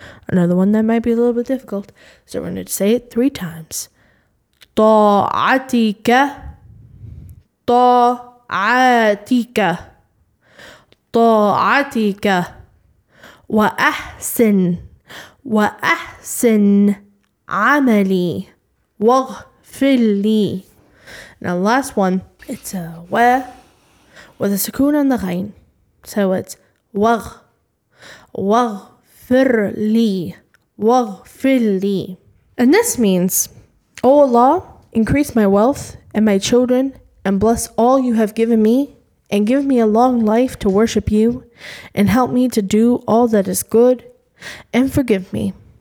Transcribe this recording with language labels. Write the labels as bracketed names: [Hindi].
[English] Another one that might be a little bit difficult, so we're going to say it three times. [Arabic] طاعتك طاعتك طاعتك وأحسن وأحسن عملي واغفر لي. [English] Now the last one, it's a wa with a sukun on the ghain. So it's waghfir li. And this means, O Allah, increase my wealth and my children and bless all you have given me and give me a long life to worship you and help me to do all that is good and forgive me.